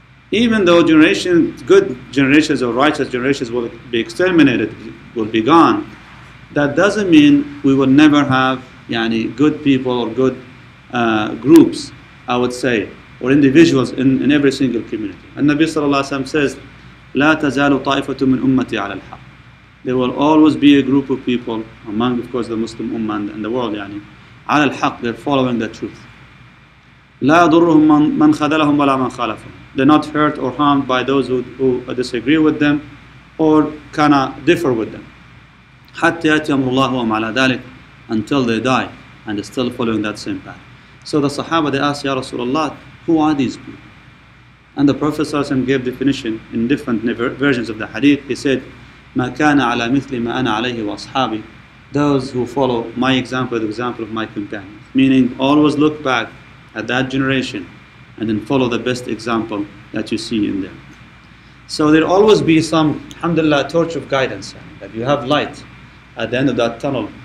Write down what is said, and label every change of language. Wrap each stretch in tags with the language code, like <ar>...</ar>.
<en>Even though good generations or righteous generations will be exterminated, will be gone, that doesn't mean we will never have good people or good groups, I would say, or individuals in every single community. And Nabi sallallahu alayhi wa sallam says,</en> <ar>لَا تَزَالُ طَائِفَةٌ مِنْ أُمَّتِي عَلَى الْحَقِّ.</ar> <en>There will always be a group of people among, of course, the Muslim Ummah and the world,</en> <ar>على الحق,</ar> <en>they're following the truth.</en> <ar>لا يضرهم من خذلهم ولا من خالفهم.</ar> <en>They're not hurt or harmed by those who disagree with them or kind of differ with them.</en> <ar>حتى يأتي أمر الله وهم على ذلك,</ar> <en>until they die and they're still following that same path. So the Sahaba, they asked, Ya Rasulullah, who are these people? And the Prophet ﷺ gave definition in different versions of the hadith. He said,</en> <ar>مَا كَانَ عَلَى مِثْلِ مَا أَنَا عَلَيْهِ وَأَصْحَابِي.</ar> <en>Those who follow my example, the example of my companions. Meaning, always look back at that generation and then follow the best example that you see in them. So there'll always be some, alhamdulillah, torch of guidance, that you have light at the end of that tunnel.</en>